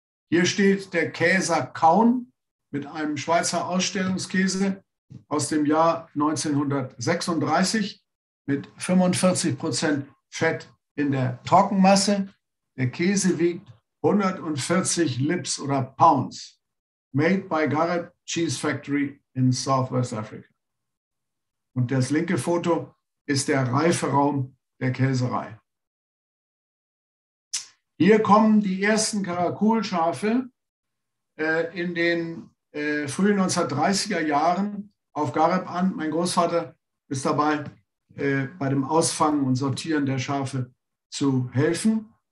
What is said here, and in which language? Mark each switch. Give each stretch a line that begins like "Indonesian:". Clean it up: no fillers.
German: Hier steht der Käser Kaun mit einem Schweizer Ausstellungskäse aus dem Jahr 1936 mit 45% Fett in der Trockenmasse. Der Käse wiegt 140 Lips oder Pounds.
English: Made by Gareb Cheese Factory in Southwest Africa.
German: Und das linke Foto ist der Reiferaum der Käserei. Hier kommen die ersten Karakulschafe in den frühen 1930er Jahren auf Gareb an. Mein Großvater ist dabei, bei dem Ausfangen und Sortieren der Schafe zu helfen.